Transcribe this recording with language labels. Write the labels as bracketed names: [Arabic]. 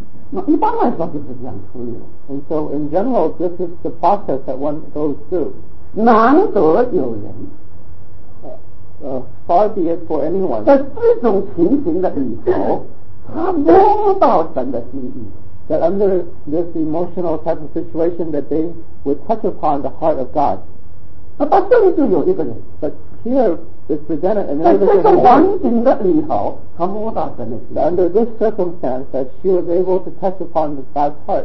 [Chinese] 那一般来说就是这样处理了。 [English] And so in general, this is the process that one goes through. [Chinese] 难得有人。 [English] Far be it for anyone. [Chinese] 在这种情形的里头，他摸到神的心意。 [English] That under this emotional type of situation, that they would touch upon the heart of God. [Chinese] 那到这里就有一个人。 [English] But here is presented another. [Chinese] 在这个环境的里头，他摸到神的心意。 [English] Under this circumstance, that she was able to touch upon God's heart.